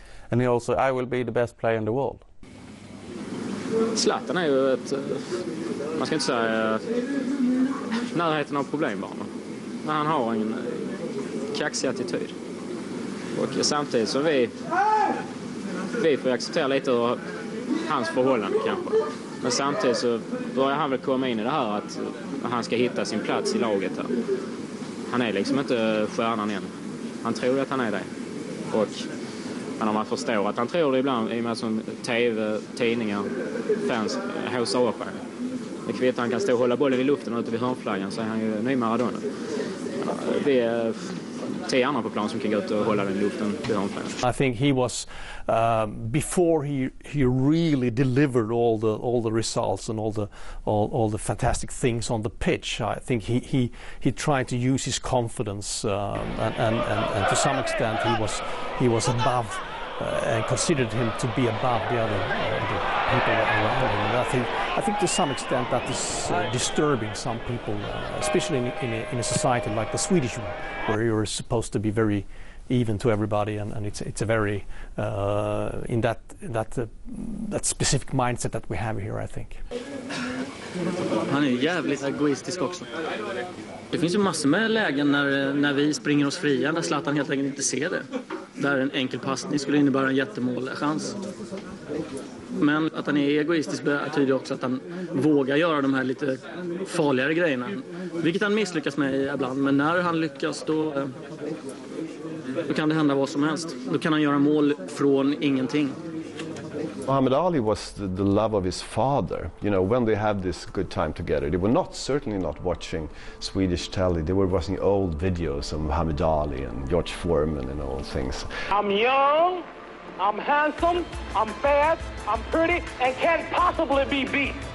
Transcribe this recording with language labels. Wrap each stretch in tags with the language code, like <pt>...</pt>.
<en>And he also, "I will be the best player in the world."</en> <sv>Zlatan är ju ett, man ska inte säga närheten av problembarn, men han har en kaxig attityd. Och samtidigt som vi får acceptera lite av hans förhållande kanske. Men samtidigt så börjar han väl komma in i det här att han ska hitta sin plats i laget här. Han är liksom inte stjärnan än. Han tror att han är det. Och men om man förstår att han tror det ibland, i och med att TV, tidningar, fans, hosar upp honom. Det kvittar, han kan stå och hålla bollen i luften ute vid hörnflaggan, så är han ju ny Maradona. Det är tre andra på plan som kan gå ut och hålla den i luften vid hörnflaggan.</sv> <en>I think he was before he really delivered all the results and all the fantastic things on the pitch. I think he tried to use his confidence and to some extent he was above and considered him to be above the other the people around him. And I think to some extent that is disturbing some people, especially in a society like the Swedish one, where you're supposed to be very even to everybody, and it's a very in that specific mindset that we have here, I think.</en> <sv>Han är jävligt egoistisk också. Det finns ju massor med lägen när vi springer oss fria där Zlatan helt enkelt inte ser det. Där en enkel passning skulle innebära en jättemål chans. Men att han är egoistisk betyder också att han vågar göra de här lite farligare grejerna. Vilket han misslyckas med ibland, men när han lyckas då kan det hända vad som helst. Då kan han göra mål från ingenting.</sv> <en>Muhammad Ali was the love of his father. You know, when they had this good time together, they were certainly not watching Swedish telly. They were watching old videos of Muhammad Ali and George Foreman and all things. I'm young, I'm handsome, I'm fast, I'm pretty, and can't possibly be beat.</en>